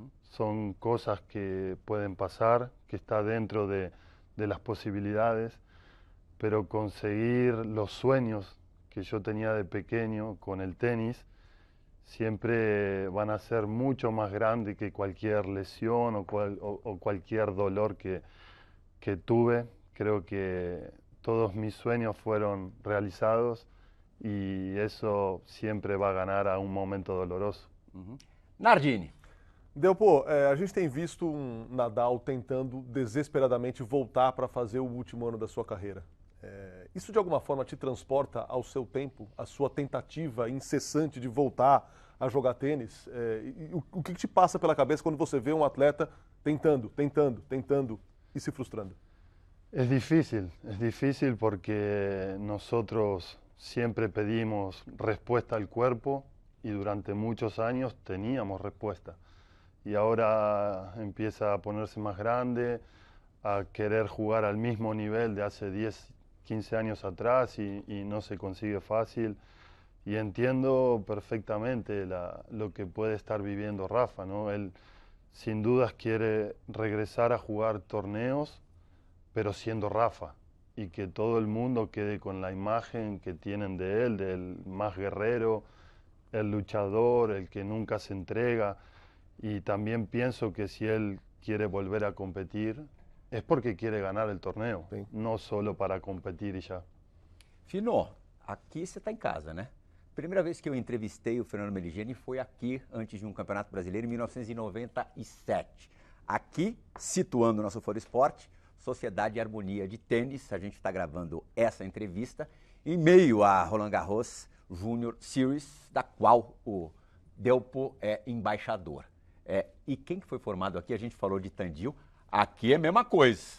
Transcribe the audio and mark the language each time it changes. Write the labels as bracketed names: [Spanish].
[Spanish] Son cosas que pueden pasar, que está dentro de las posibilidades, pero conseguir los sueños que yo tenía de pequeño con el tenis siempre van a ser mucho más grandes que cualquier lesión o cualquier dolor que tuve. Creo que todos mis sueños fueron realizados y eso siempre va a ganar a un momento doloroso. [Portuguese] Nardini. Del Po, a gente tem visto um Nadal tentando desesperadamente voltar para fazer o último ano da sua carreira. Isso de alguma forma te transporta ao seu tempo, à sua tentativa incessante de voltar a jogar tênis? O que te passa pela cabeça quando você vê um atleta tentando, tentando, tentando e se frustrando? É difícil [Spanish] porque nosotros siempre pedimos respuesta al cuerpo y durante muchos años teníamos respuesta. Y ahora empieza a ponerse más grande, a querer jugar al mismo nivel de hace 10, 15 años atrás y no se consigue fácil. Y entiendo perfectamente lo que puede estar viviendo Rafa, ¿no? Él sin dudas quiere regresar a jugar torneos, pero siendo Rafa. Y que todo el mundo quede con la imagen que tienen de él, del más guerrero, el luchador, el que nunca se entrega. Y también pienso que si él quiere volver a competir, es porque quiere ganar el torneo, sí. No solo para competir y ya. Fino, aquí você está en casa, ¿no? Primera vez que yo entrevisté a Fernando Meligeni fue aquí, antes de un campeonato brasileiro, en 1997. [Portuguese] Aquí, situando nosso Foro Esporte, Sociedade e Harmonia de Tênis, a gente está gravando essa entrevista em meio à Roland Garros Junior Series, da qual o Del Po é embaixador. E quem que foi formado aqui? A gente falou de Tandil. Aqui é a mesma coisa.